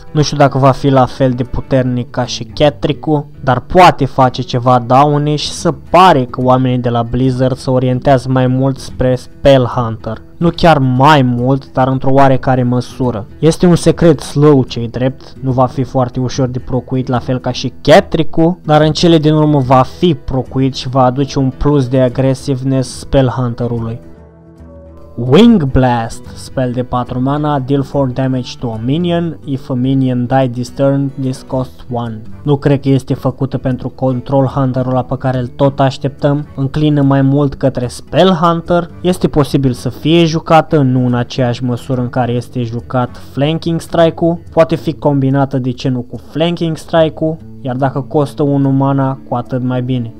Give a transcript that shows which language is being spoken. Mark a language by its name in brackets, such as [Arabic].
[Romanian] Nu știu dacă va fi la fel de puternic ca și Catricu, dar poate face ceva daune și se pare că oamenii de la Blizzard se orientează mai mult spre Spell Hunter. Nu chiar mai mult, dar într-o oarecare măsură. Este un secret slow ce-i drept, nu va fi foarte ușor de procuit la fel ca și Catricu, dar în cele din urmă va fi procuit și va aduce un plus de agresivness Spell Hunter-ului. [English] Wing Blast, spell de 4 mana, deal 4 damage to a minion, if a minion died this turn, this costs 1. [Romanian] Nu cred că este făcută pentru Control Hunter-ul ăla pe care îl tot așteptăm, înclină mai mult către Spell Hunter, este posibil să fie jucată, nu în aceeași măsură în care este jucat Flanking Strike-ul, poate fi combinată de ce nu cu Flanking Strike-ul, iar dacă costă 1 mana, cu atât mai bine.